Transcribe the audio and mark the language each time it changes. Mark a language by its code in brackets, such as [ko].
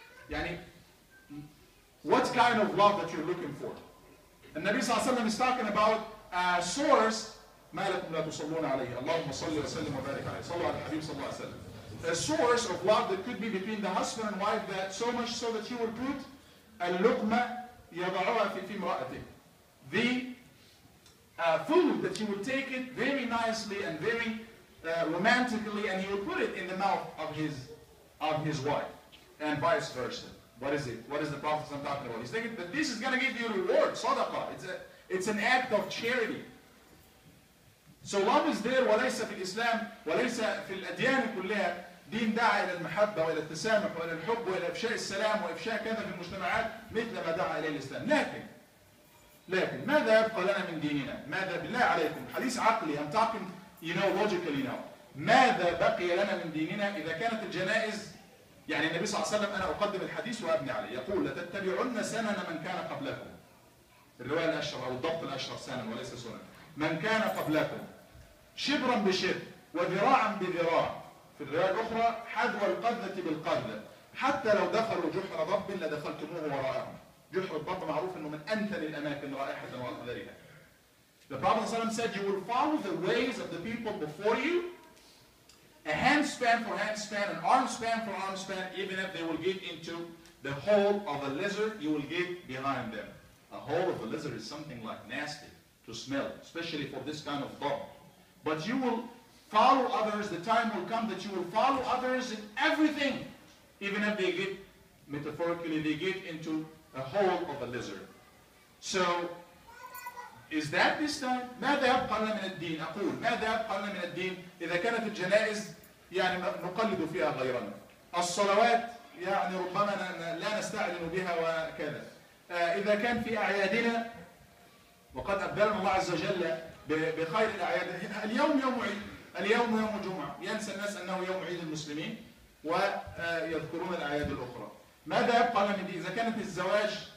[en] يعني what kind of love that you're looking for? [ar] النبي صلى الله عليه وسلم [en] is talking about a source. [ar] ما لكم لا تصلون عليه اللهم صل وسلم وبارك عليه صلوا على الحبيب صلى الله عليه وسلم. [en] A source of love that could be between the husband and wife, that so much so that he would put [ar] اللقمة يضعها في امرأته. [en] The food that he would take it very nicely and very romantically, and he would put it in the mouth of his wife, and vice versa. What is it? What is the Prophet I'm talking about? He's thinking that this is going to give you reward, صدقة. It's an act of charity. So love is there, [ar] وليس في الإسلام وليس في الأديان كلها. دين دعا إلى المحبة وإلى التسامح وإلى الحب وإلى إفشاء السلام وإفشاء كذا في المجتمعات مثل ما دعا إليه الإسلام. لكن ماذا يبقى لنا من ديننا؟ ماذا بالله عليكم؟ حديث عقلي. [en] I'm talking you know logically now, [ar] ماذا بقي لنا من ديننا إذا كانت الجنائز يعني النبي صلى الله عليه وسلم أنا أقدم الحديث وأبني عليه يقول لتتبعن سنن من كان قبلكم الرواية الأشهر أو الضبط الأشهر سنن وليس سنن من كان قبلكم شبرا بشبر وذراعا بذراع في الرواية الأخرى حذو القذة بالقذة حتى لو دخلوا جحر ضب لدخلتموه وراءهم جحر الضب معروف أنه من أنثى الأماكن رائحة وأقذرها [en] The Prophet صلى الله عليه وسلم said you will follow the ways of the people before you A hand span for hand span, an arm span for arm span, even if they will get into the hole of a lizard, you will get behind them. A hole of a lizard is something like nasty to smell, especially for this kind of dog. But you will follow others, the time will come that you will follow others in everything, even if they get, metaphorically, they get into a hole of a lizard. So, is that this time? [ar] ماذا يبقى لنا من الدين؟ أقول ماذا يبقى لنا من الدين إذا كانت الجنائز يعني نقلد فيها غيرنا الصلوات يعني ربما لا نستعلن بها وكذا إذا كان في أعيادنا وقد أبدلنا الله عز وجل بخير الأعياد اليوم يوم عيد اليوم يوم جمعة ينسى الناس أنه يوم عيد المسلمين ويذكرون الأعياد الأخرى ماذا يبقى لنا من الدين إذا كانت الزواج